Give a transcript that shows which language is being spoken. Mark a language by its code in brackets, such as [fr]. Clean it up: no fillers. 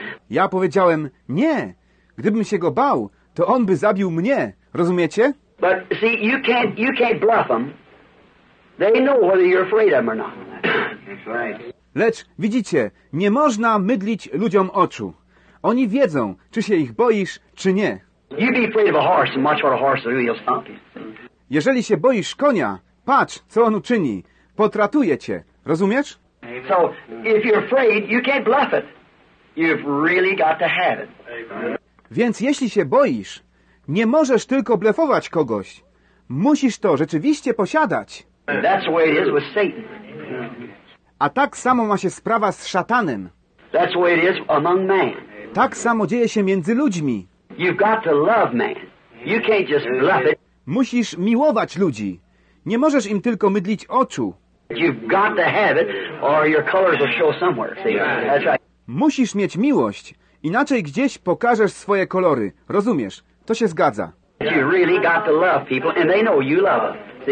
[pl] Ja powiedziałem, nie, gdybym się go bał, to on by zabił mnie, rozumiecie? [en] But see, you can't bluff them. They know whether you're afraid of them or not. That's right. [pl] Lecz widzicie, nie można mydlić ludziom oczu. Oni wiedzą, czy się ich boisz, czy nie. [en] You be afraid of a horse and watch what a horse will do, he'll stomp you. [pl] Jeżeli się boisz konia, patrz, co on uczyni. Potratuje cię. Rozumiesz? [en] So, if you're afraid, you can't bluff it. You've really got to have it. Amen. [pl] Więc jeśli się boisz, nie możesz tylko blefować kogoś. Musisz to rzeczywiście posiadać. [en] That's the way it is with Satan. [pl] A tak samo ma się sprawa z szatanem. [en] That's the way it is among man. [pl] Tak samo dzieje się między ludźmi. [en] You've got to love man. You can't just bluff it. [pl] Musisz miłować ludzi. Nie możesz im tylko mydlić oczu. [en] You've got to have it, or your colors will show somewhere. See? That's right. [pl] Musisz mieć miłość, inaczej gdzieś pokażesz swoje kolory. Rozumiesz? To się zgadza. [en] You really got to love people, and they know you love them.